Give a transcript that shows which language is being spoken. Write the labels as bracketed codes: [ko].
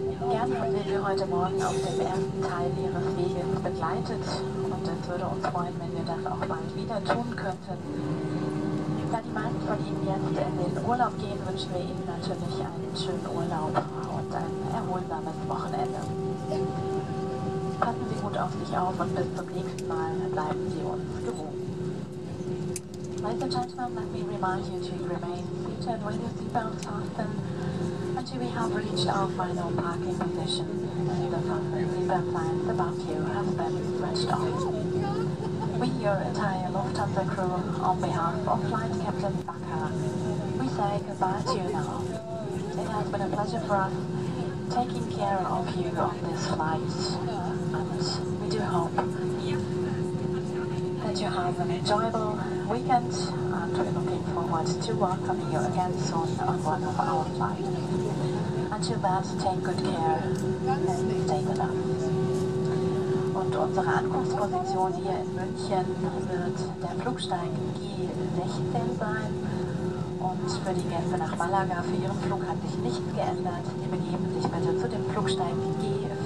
[de] Gerne hätten wir heute Morgen auf dem ersten Teil Ihres Weges begleitet und es würde uns freuen, wenn wir das auch bald wieder tun könnten. Da die meisten von Ihnen jetzt in den Urlaub gehen, wünschen wir Ihnen natürlich einen schönen Urlaub und ein erholsames Wochenende. Passen Sie gut auf sich auf und bis zum nächsten Mal bleiben Sie uns gewogen. [en] Ladies and gentlemen, let me remind you to remain seated with your seatbelt fastened until we have reached our final parking position and the fastened seatbelt signs above you have been stretched off. We, your entire Lufthansa crew, on behalf of Flight Captain Bakar, we say goodbye to you now. It has been a pleasure for us taking care of you on this flight, and we do hope that you have an enjoyable weekend, and we're looking forward to welcoming you again soon on one of our flights. Until then, take good care and stay with us. [de] Und unsere Ankunftsposition hier in München wird der Flugsteig G16 sein. Und für die Gäste nach Malaga, für Ihren Flug hat sich nichts geändert. Sie begeben sich bitte zu dem Flugsteig G40.